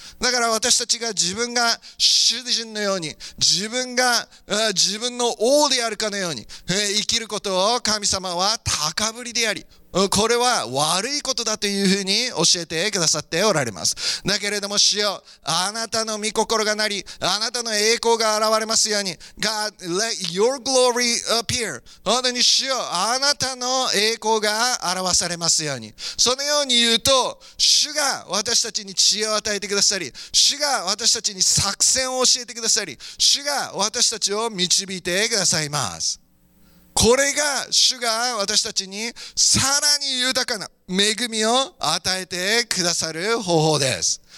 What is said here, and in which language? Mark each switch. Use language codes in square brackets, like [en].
[ja] だから私たちが自分が主人のように、自分が、自分の王であるかのように、生きることを神様は高ぶりであり、これは悪いことだというふうに教えてくださっておられます。だけれども主よ、あなたの御心がなり、あなたの栄光が現れますように。 [en] God, let your glory appear. [ja] 本当に主よ、あなたの栄光が表されますように。そのように言うと、主が私たちに知恵を与えてくださり、主が私たちに作戦を教えてくださり、主が私たちを導いてくださいます。これが主が私たちにさらに豊かな恵みを与えてくださる方法です。